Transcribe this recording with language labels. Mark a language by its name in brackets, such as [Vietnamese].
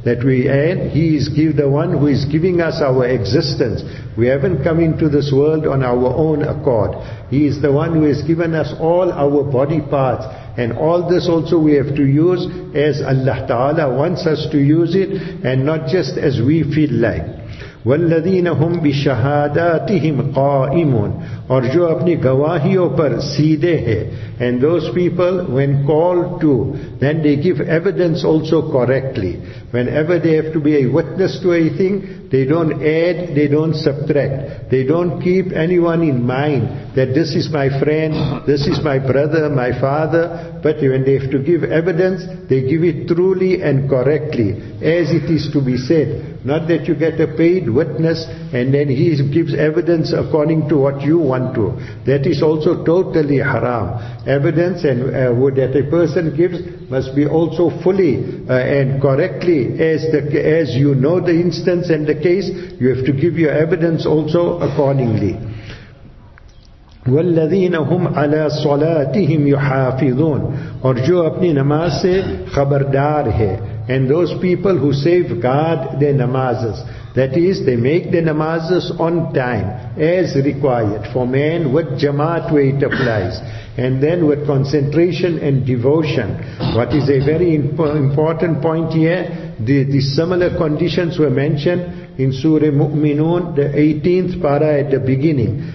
[English] That we, and he is give the one who is giving us our existence. We haven't come into this world on our own accord. He is the one who has given us all our body parts. And all this also we have to use as Allah Ta'ala wants us to use it, and not just as we feel like. [Arabic] وَالَّذِينَ هُمْ بِشَهَادَاتِهِمْ قَائِمُونَ [Urdu] اور جو اپنی گواہیوں پر سیدھے ہیں. [English] And those people, when called to, then they give evidence also correctly. Whenever they have to be a witness to a thing, they don't add, they don't subtract. They don't keep anyone in mind that this is my friend, this is my brother, my father. But when they have to give evidence, they give it truly and correctly, as it is to be said. Not that you get a paid witness and then he gives evidence according to what you want to. That is also totally haram. Evidence and that a person gives must be also fully and correctly as you know the instance and the case. You have to give your evidence also accordingly. [Arabic] وَالَّذِينَ هُمْ عَلَىٰ صَلَاتِهِمْ يُحَافِظُونَ [Urdu] اور جو اپنی نماز سے خبردار ہے. [English] And those people who safeguard their namazes, that is, they make their namazes on time, as required. For man, with jamaat where it applies. And then with concentration and devotion. What is a very important point here, the similar conditions were mentioned in Surah Mu'minun, the 18th para at the beginning.